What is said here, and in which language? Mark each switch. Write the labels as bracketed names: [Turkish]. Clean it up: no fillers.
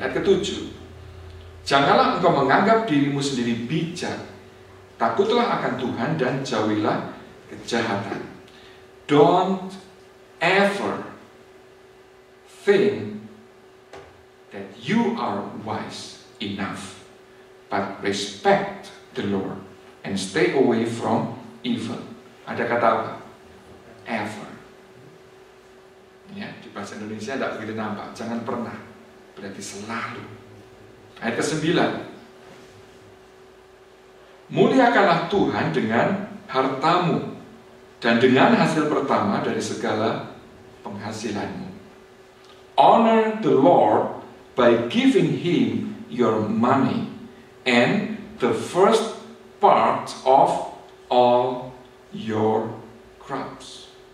[Indonesian] Ayat ketujuh, janganlah engkau menganggap dirimu sendiri bijak. Takutlah akan Tuhan dan jauhilah kejahatan. [English] Don't ever think that you are wise enough, but respect the Lord and stay away from evil. [Indonesian] Ada kata apa? Ever. Ya, di bahasa Indonesia tidak begitu nampak. Jangan pernah, berarti selalu. Ayat ke-9. Muliakanlah Tuhan dengan hartamu dan dengan hasil pertama dari segala penghasilanmu. [English] Honor the Lord by giving him your money and the first part of all your crops.